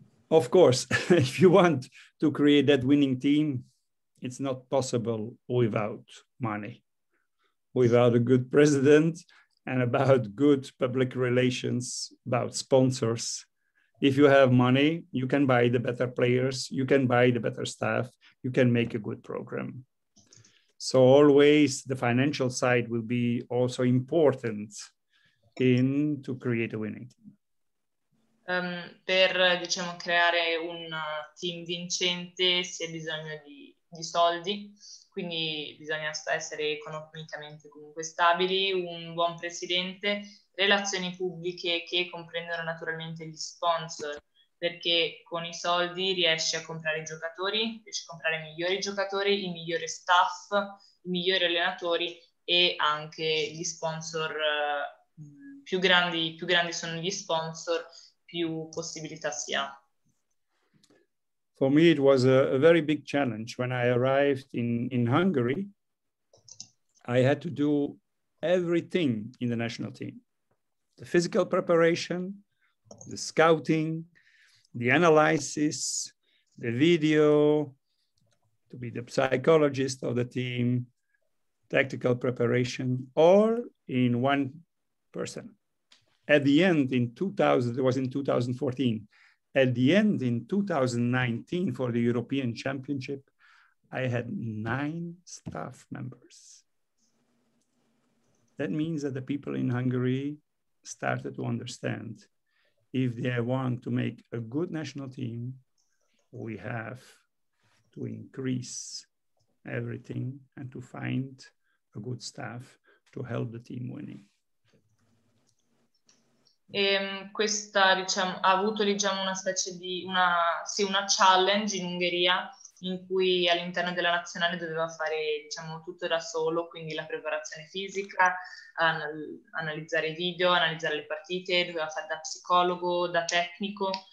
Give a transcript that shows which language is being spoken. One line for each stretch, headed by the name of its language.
English: Of course, if you want to create that winning team, it's not possible without money, without a good president and about good public relations, about sponsors. If you have money, you can buy the better players, you can buy the better staff, you can make a good program. So always the financial side will be also important in to create a winning team.
Italian: Per diciamo creare un team vincente si ha bisogno di soldi, quindi bisogna essere economicamente comunque stabili, un buon presidente, relazioni pubbliche che comprendono naturalmente gli sponsor, perché con i soldi riesci a comprare giocatori, riesci a comprare migliori giocatori, i migliori staff, i migliori allenatori e anche gli sponsor. Più grandi sono gli sponsor, più possibilità si ha.
English: For me it was a very big challenge when I arrived in Hungary. I had to do everything in the national team. The physical preparation, the scouting, the analysis, the video, to be the psychologist of the team, tactical preparation, all in one person. At the end in 2000, it was in 2014. At the end in 2019 for the European Championship, I had 9 staff members. That means that the people in Hungary started to understand if they want to make a good national team, we have to increase everything and to find a good staff to help the team winning.
Italian: E questa, diciamo, ha avuto, diciamo, una specie di una challenge in Ungheria, in cui all'interno della nazionale doveva fare, diciamo, tutto da solo, quindi la preparazione fisica, analizzare i video, analizzare le partite, doveva fare da psicologo, da tecnico.